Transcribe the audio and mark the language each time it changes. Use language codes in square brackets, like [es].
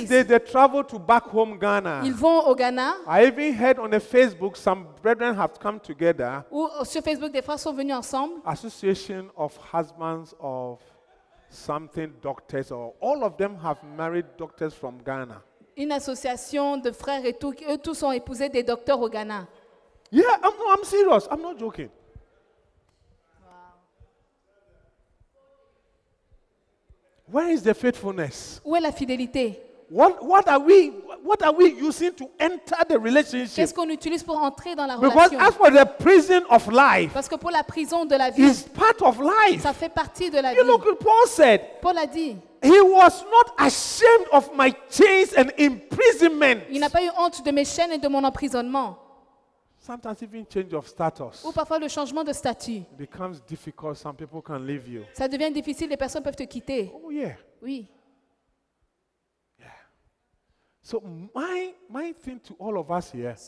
[en] These days they travel to back home Ghana. [fr] Ils vont au Ghana. [en] I even heard on the Facebook some brethren have come together. [fr] Où sur Facebook des frères sont venus ensemble. [en] Association of husbands of something doctors or all of them have married doctors from Ghana. [fr] Une association de frères et tout, eux tous ont épousé des docteurs au Ghana. [en] Yeah, I'm serious. I'm not joking. Wow. Where is the faithfulness? [fr] Où est la fidélité? [en] What are we using to enter the relationship? [fr] Qu'est-ce qu'on utilise pour entrer dans la [en] because [fr] relation? [en] Because as for the prison of life, [fr] parce que pour la prison de la vie, [en] is part of life. [fr] Ça fait partie de la [en] you [fr] vie. [en] You know what Paul said? [fr] Paul a dit. [en] He was not ashamed of my chains and imprisonment. [fr] Il n'a pas eu honte de mes chaînes et de mon emprisonnement. [en] Sometimes even change of status. [fr] Ou parfois le changement de statut. [en] Becomes difficult. Some people can leave you. [fr] Ça devient difficile. Les personnes peuvent te quitter. [en] Oh yeah. [fr] Oui. [en] So my thing to all of us here.